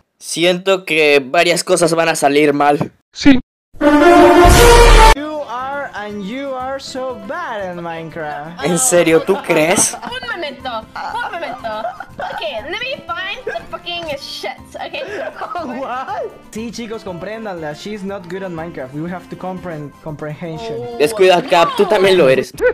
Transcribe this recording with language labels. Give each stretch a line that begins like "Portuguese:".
Spanish: Siento que varias cosas van a salir mal. Sí.
English: You are and you are so bad in Minecraft.
Spanish: ¿En serio tú crees? Un momento.
English: Okay, let me find the fucking shit. Okay. What?
Spanish: Sí, chicos, compréndanla.
English: She's not good at Minecraft. We have to comprehension.
Spanish: Oh, descuida, Cap, no. Tú también lo eres.